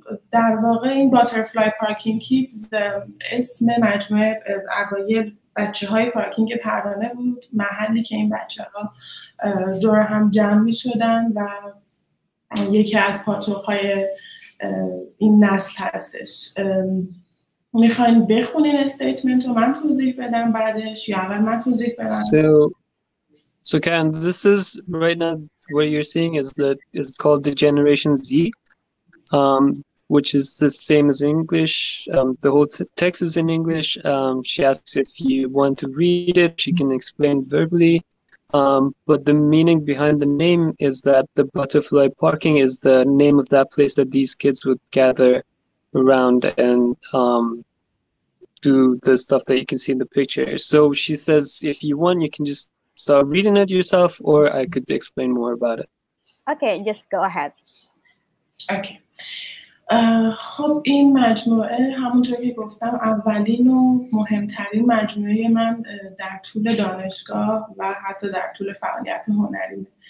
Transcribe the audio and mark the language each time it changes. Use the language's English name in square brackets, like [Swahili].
[Persian] در واقع این باترفلای پارکینگ کیدز اسم مجموعه اوایل بچه های پارکینگ پروانه بود، محلی که این بچه ها دور هم جمع می شدن و یکی از پاتوهای این نسل هستش. می خواهیم بخونین استیتمنت رو من توضیح بدم بعدش یا اول من توضیح بدم؟ [English] So Karen, this is right now what you're seeing is called the Generation Z. Which is the same as English. The whole text is in English. She asks if you want to read it, she can explain verbally. But the meaning behind the name is that the butterfly parking is the name of that place that these kids would gather around and do the stuff that you can see in the picture. So she says, if you want, you can just start reading it yourself, or I could explain more about it. Okay, just go ahead. Okay. [Persian] خب این مجموعه همونطور که گفتم اولین و مهمترین مجموعه من در طول دانشگاه و حتی در طول فعالیت هنری.